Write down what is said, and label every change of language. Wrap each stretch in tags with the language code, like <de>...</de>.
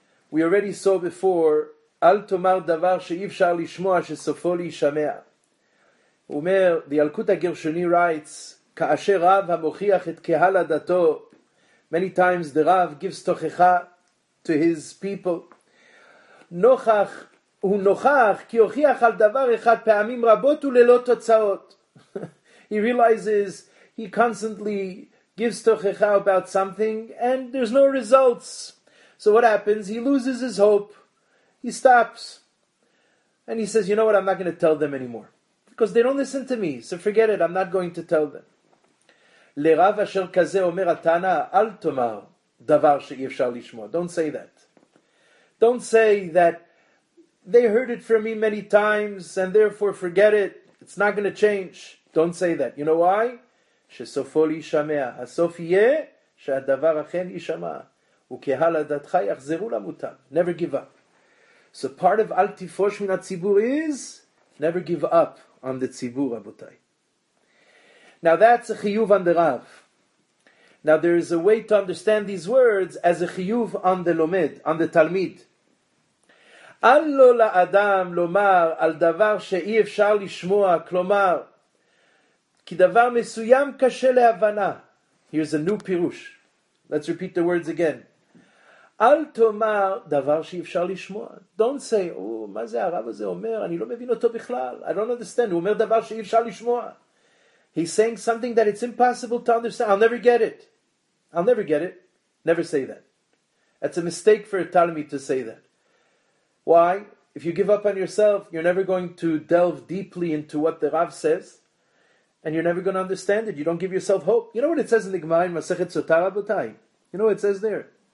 <en>We already saw before,</en> <he>אל תאמר דבר שאי אפשר לשמוע שסופו להישמע. הוא אומר,</he> <en>the Yalkut HaGershoni writes,</en> <he>כאשר רב המוכיח את קהל הדתו,</he> <en>many times the Rav gives</en> <he>תוכחה</he> <en>to his people,</en> <he>נוכח, הוא נוכח כי הוכיח על דבר אחד פעמים רבות וללא תוצאות.</he> <en>He realizes, he constantly gives תוכחה about something and there's no results. So what happens? He loses his hope. He stops. And he says, you know what? I'm not going to tell them anymore. Because they don't listen to me. So forget it. I'm not going to tell them.</en> <he>לרב אשר כזה אומר התנא, אל תאמר דבר שאי אפשר לשמוע.</he> <en>Don't say that. Don't say that they heard it from me many times and therefore forget it. It's not going to change. Don't say that. You know why?</en> <he>שסופו להישמע. הסוף יהיה שהדבר אכן יישמע. וקהל הדתך יחזרו למותם.</he> <en>Never give up. So part of</en> <he>אל תפרוש מן הציבור</he> <en>is never give up on the ציבור, רבותיי. Now that's a chiyuv on the Rav. Now there is a way to understand these words as a chiyuv on the lomed, on the talmid.</en> <he>אל לו לאדם לומר על דבר שאי אפשר לשמוע, כלומר, כי דבר מסוים קשה להבנה.</he> <en>Here's a new pirush. Let's repeat the words again.</en> <he>אל תאמר דבר שאי אפשר לשמוע.</he> <en>Don't say, oh,</en> <he>מה זה הרב הזה אומר? אני לא מבין אותו בכלל.</he> <en>I don't understand.</en> <he>הוא אומר דבר שאי אפשר לשמוע.</he> <en>He's saying something that it's impossible to understand. I'll never get it. I'll never get it. Never say that. That's a mistake for a Talmid to say that. Why? If you give up on yourself, you're never going to delve deeply into what the Rav says. And you're never going to understand it. You don't give yourself hope. You know what it says in the Gemara in Masechet Sotah, Rabotai? You know what it says there?</en>